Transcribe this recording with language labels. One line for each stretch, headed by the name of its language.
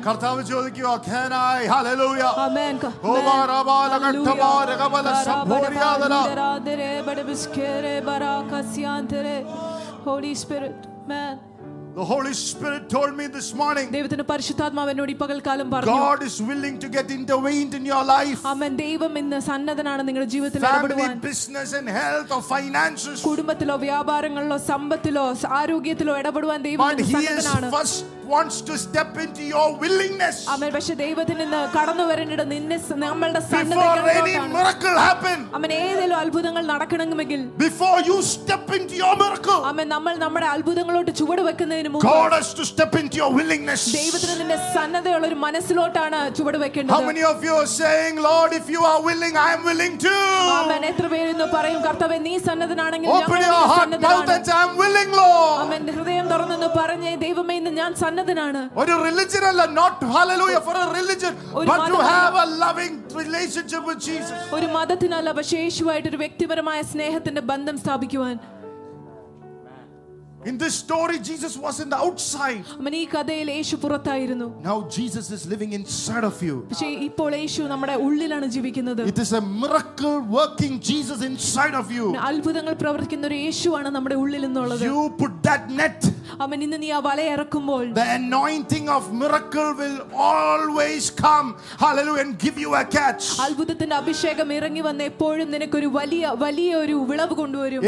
Malayalam: കർത്താവ് ചോദിക്കുവാ ഖേനായ് hallelujah amen oh ബാരബാല കട്ടബാരകബല സംഭോരിയാദന ദരാദരേ ബഡബിസ്കേരേ ബരാകസ്യാന്തരേ holy spirit amen
English: The Holy Spirit told me this morning.
Malayalam: ദൈവത്തിന്റെ പരിശുദ്ധാത്മാവ് എന്നോട് ഈ പകൽക്കാലം പറഞ്ഞു.
English: God is willing to get intervened in your life.
Malayalam: ആമേൻ ദൈവം ഇന്ന് സന്നദ്ധനാണ് നിങ്ങളുടെ ജീവിതത്തിൽ ഇടപെടുവാൻ.
English: Family, business and health or finances.
Malayalam: കുടുംബത്തിലോ വ്യാപാരങ്ങളിലോ സമ്പത്തിലോ ആരോഗ്യത്തിലോ ഇടപെടുവാൻ ദൈവം സന്നദ്ധനാണ്.
English: Wants to step into your willingness. Amen.
Malayalam: പക്ഷേ ദൈവത്തിന് കടന്നു വരേണ്ടത് നിന്നെ നമ്മളുടെ സന്നദ്ധതയിലാണ്. Amen. ഏതെല്ലാം അത്ഭുതങ്ങൾ നടക്കണമെങ്കിൽ
English: Before you step into your miracle. Amen.
Malayalam: നമ്മൾ നമ്മുടെ അത്ഭുതങ്ങളോട് ചുവട് വെക്കുന്നതിന് മുമ്പ്
English: God has to step into your willingness.
Malayalam: ദൈവത്തിന് നിന്നെ സന്നദ്ധതയുള്ള ഒരു മനസ്സിലോട്ടാണ് ചുവട് വെക്കേണ്ടത്.
English: How many of you are saying Lord if you are willing I am willing too. Amen.
Malayalam: എത്ര പേരിന്ന് പറയും കർത്താവേ നീ സന്നദ്ധനാണെങ്കിൽ ഞാൻ സന്നദ്ധനാണ്.
English: Open your heart. I am willing Lord. Amen.
Malayalam: ഹൃദയം തുറന്നെന്ന് പറഞ്ഞേ ദൈവമേ ഇന്ന് ഞാൻ സന്നദ്ധനാണ് ഒരു റിലിജിയൻ അല്ല
English: not hallelujah for a religion but to have a loving relationship with Jesus
Malayalam: ഒരു മതത്തിനല്ല പക്ഷേ യേശുവായിട്ട് ഒരു വ്യക്തിപരമായ സ്നേഹത്തിന്റെ ബന്ധം സ്ഥാപിക്കുവാൻ
English: In this story Jesus was in the outside.
Malayalam: അമനി കഥയിൽ യേശു പുറത്തായിരുന്നു.
English: Now Jesus is living inside of you.
Malayalam: പക്ഷേ ഇപ്പോൾ യേശു നമ്മുടെ ഉള്ളിലാണ് ജീവിക്കുന്നത്.
English: It is a miracle working Jesus inside of you.
Malayalam: അത്ഭുതങ്ങൾ പ്രവർത്തിക്കുന്ന ഒരു യേശുവാണ് നമ്മുടെ ഉള്ളിൽ എന്നുള്ളത്.
English: You put that net.
Malayalam: അമനി ഇന്ന് നീ ആ വല ഇറക്കുമ്പോൾ
English: The anointing of miracle will always come. Hallelujah and give you a catch.
Malayalam: അത്ഭുതത്തിന്റെ അഭിഷേകം ഇറങ്ങി വന്ന എപ്പോഴും നിനക്ക് ഒരു വലിയ വലിയ ഒരു വിളവ് കൊണ്ടുവരും.